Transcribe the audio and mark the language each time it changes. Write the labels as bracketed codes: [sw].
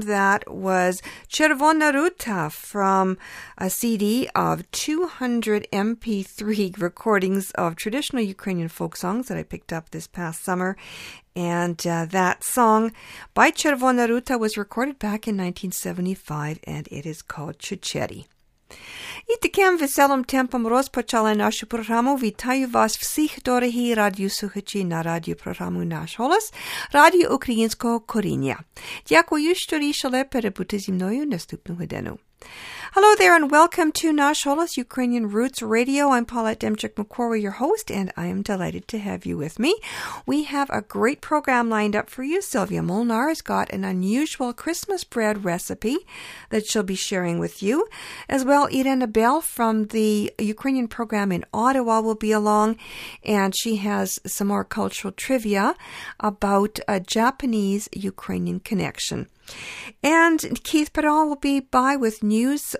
[en] That was Chervona Ruta from a CD of 200 MP3 recordings of traditional Ukrainian folk songs that I picked up this past summer. And that song by Chervona Ruta was recorded back in 1975, and it is called Chucheri. [uk] І таким веселим темпом розпочали нашу програму. Вітаю вас всіх, дорогі радіослухачі, на радіопрограму «Наш голос» Радіо Українського коріння. Дякую, що рішили перебути зі мною наступну годину. [en] Hello there and welcome to «Наш голос» Ukrainian Roots Radio. I'm Paulette Demchuk-McCorry, your host, and I am delighted to have you with me. We have a great program lined up for you. Sylvia Molnar has got an unusual Christmas bread recipe that she'll be sharing with you. As well, Irina Bell from the Ukrainian program in Ottawa will be along, and she has some more cultural trivia about a Japanese-Ukrainian connection. And Keith Perrault will be by with news